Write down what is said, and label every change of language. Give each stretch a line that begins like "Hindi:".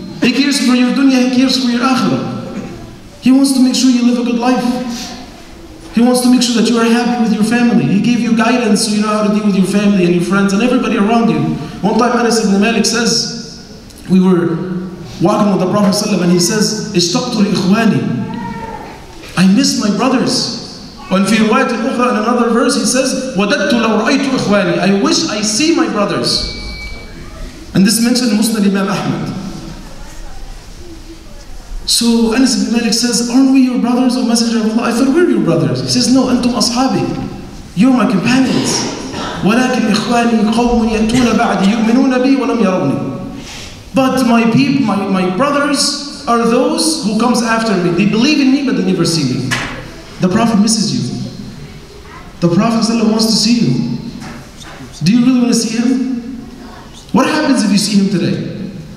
English: He cares for your dunya, he cares for your akhirah. He wants to make sure you live a good life. He wants to make sure that you are happy with your family. He gave you guidance so you know how to deal with your family and your friends and everybody around you. One time Anas ibn Malik says, we were walking with the Prophet ﷺ and he says,
Arabic: اشتقت لإخواني.
English: I miss my brothers. And
Arabic: في رواية أخرى
English: in another verse he says,
Arabic: وددت لو رأيت إخواني.
English: I wish I see my brothers. And this mentioned Muslim Imam Ahmad. So Anas ibn Malik says, aren't we your brothers, O Messenger of Allah? I thought we're your brothers. He says, no,
Arabic: أنتم أصحابي.
English: You're my companions.
Arabic: ولكن إخواني قوم يأتون بعدي يؤمنون بي ولم يروني.
English: But my people, my brothers are those who comes after me. They believe in me, but they never see me. The Prophet misses you. The Prophet ﷺ wants to see you. Do you really want to see him? What happens if you see him today?